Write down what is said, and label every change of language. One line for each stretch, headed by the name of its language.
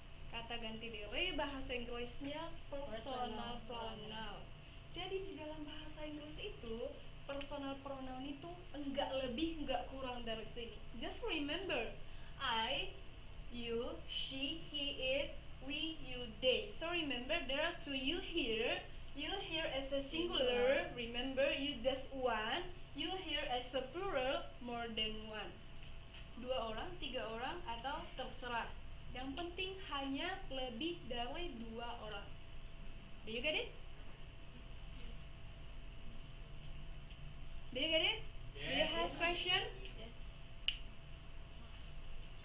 Indonesian: Kata ganti dewi bahasa Inggrisnya personal pronoun. Jadi di dalam bahasa Inggris itu personal pronoun itu enggak lebih enggak kurang dari sini.
English: Just remember, I, you, she, he, it, we, you, they. So remember, there are two you here. You here as a singular, remember, you just one. You here as a plural, more than one.
Indonesian: Dua orang, tiga orang, atau terserah. Yang penting hanya lebih dari dua orang.
English: Do you get it? Do you get it? Yeah. Do you have question? Yeah.